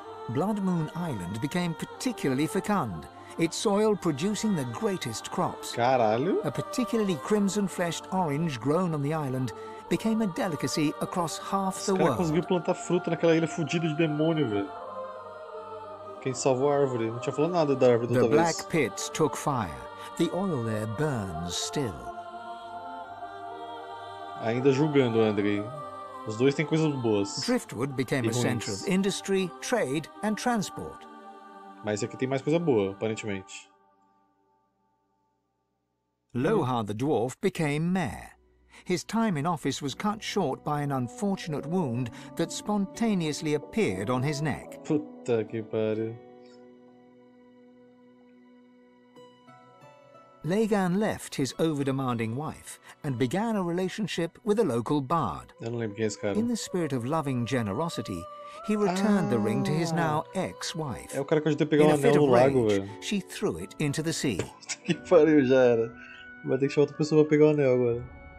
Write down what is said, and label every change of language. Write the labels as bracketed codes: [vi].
[en] Blood Moon Island became particularly fecund, its soil producing the greatest crops. [pt] Caralho! [en] A particularly crimson-fleshed orange grown on the island became a delicacy across half the world. [pt] Os caras conseguiram plantar fruta naquela ilha fodida de demônio, velho. Quem salvou a árvore? Não tinha falado nada da árvore da outra vez. [en] The Black Pits took fire. The oil there burns still. [pt] Ainda julgando, André. Os dois têm coisas boas. [en] Driftwood became a center of industry, trade, and transport. [pt] Mas esse aqui tem mais coisa boa, aparentemente. [en] Lohar the dwarf became mayor. His time in office was cut short by an unfortunate wound that spontaneously appeared on his neck. [pt] Puta que pariu. [en] Lagan left his over-demanding wife and began a relationship with a local bard. [pt] Eu não lembro quem é esse cara. [en] In the spirit of loving generosity, he returned the ring to his now ex-wife. [pt] É o cara que ajudou a pegar o anel no lago, velho. [en] She threw it into the sea. [pt] Puta que pariu, já era. Vai ter que chamar outra pessoa para pegar o anel agora.